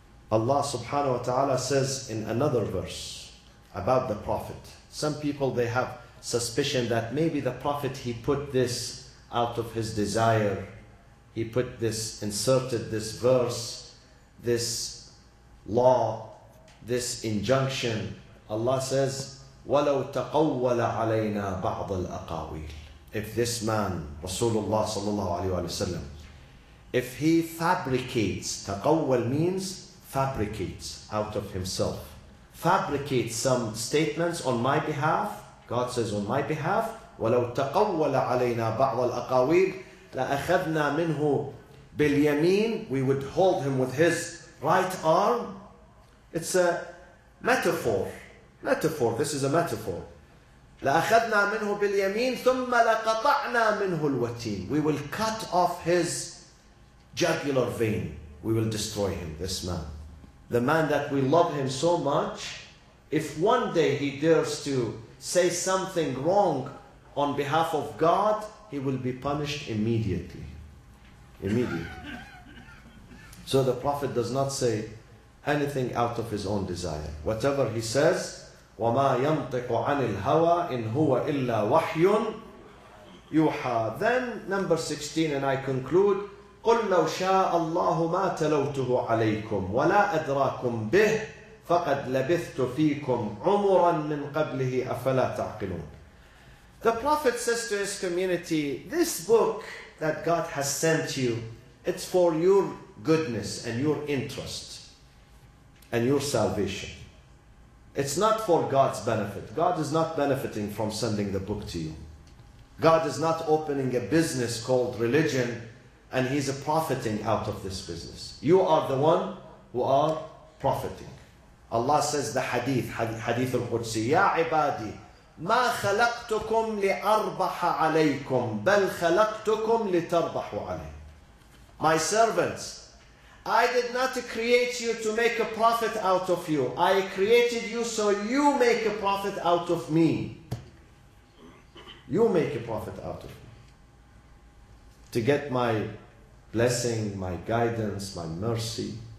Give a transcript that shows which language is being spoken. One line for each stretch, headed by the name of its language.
English: Allah subhanahu wa ta'ala says in another verse about the Prophet. Some people, they have suspicion that maybe the Prophet, he put this out of his desire. He put this, inserted this verse, this law, this injunction. Allah says,
Arabic: وَلَوْ تَقَوَّلَ عَلَيْنَا بَعْضَ الْأَقَاوِيلِ.
English: If this man, Rasulullah sallallahu alayhi wa sallam, if he fabricates, taqawwal means fabricates out of himself, fabricates some statements on my behalf, God says on my behalf,
Arabic: وَلَوْ تَقَوَّلَ عَلَيْنَا بَعْضَ الْأَقَاوِيلِ لَأَخَذْنَا مِنْهُ بِالْيَمِينِ.
English: We would hold him with his right arm. It's a metaphor. Metaphor, this is a metaphor.
Arabic: لَأَخَذْنَا مِنْهُ بِالْيَمِينِ ثُمَّ لَقَطَعْنَا مِنْهُ الْوَتِينِ.
English: We will cut off his jugular vein. We will destroy him, this man. The man that we love him so much, if one day he dares to say something wrong on behalf of God, he will be punished immediately. Immediately. So the Prophet does not say anything out of his own desire. Whatever he says,
Arabic: وَمَا يَنْطِقُ عَنِ الْهَوَىٰ إِنْ هُوَ إِلَّا وَحْيٌ يوحى.
English: Then number 16 and I conclude.
Arabic: قل لو شاء الله ما تلوته عليكم ولا أدراكم به فقد لبثت فيكم عمرا من قبله أفلا تعقلون.
English: The Prophet says to his community, this book that God has sent you, it's for your goodness and your interest and your salvation. It's not for God's benefit. God is not benefiting from sending the book to you. God is not opening a business called religion and he's profiting out of this business. You are the one who are profiting. Allah says the hadith, hadith al-Qudsi,
Arabic: يا عبادي ما خلقتكم لأربح عليكم بل خلقتكم لتربحوا عليه.
English: My servants, I did not create you to make a profit out of you. I created you so you make a profit out of me. You make a profit out of me. To get my blessing, my guidance, my mercy.